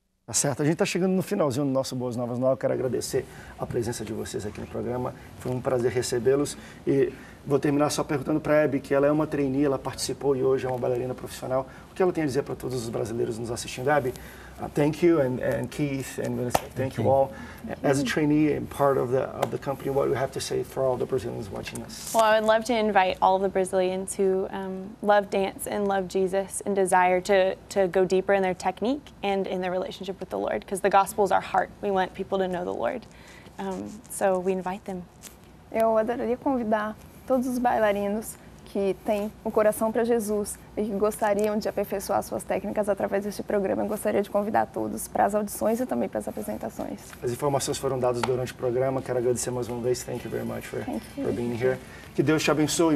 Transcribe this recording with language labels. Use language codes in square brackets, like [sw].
[pt] Certo, a gente está chegando no finalzinho do nosso Boas Novas Nova. Eu quero agradecer a presença de vocês aqui no programa. Foi um prazer recebê-los. E vou terminar só perguntando para a Hebe, que ela é uma trainee, ela participou e hoje é uma bailarina profissional. O que ela tem a dizer para todos os brasileiros nos assistindo? [en] Hebe, thank you, and Keith, and Vanessa, thank you all. As a trainee and part of the company, what do you have to say for all the Brazilians watching us? Well, I would love to invite all the Brazilians who love dance and love Jesus and desire to go deeper in their technique and in their relationship with the Lord, because the gospel is our heart. We want people to know the Lord. So we invite them. [pt] Eu adoraria convidar todos os bailarinos que têm o coração para Jesus e que gostariam de aperfeiçoar suas técnicas através deste programa. Eu gostaria de convidar todos para as audições e também para as apresentações. As informações foram dadas durante o programa. Quero agradecer mais uma vez. [en] Thank you very much for being here. [pt] Que Deus te abençoe.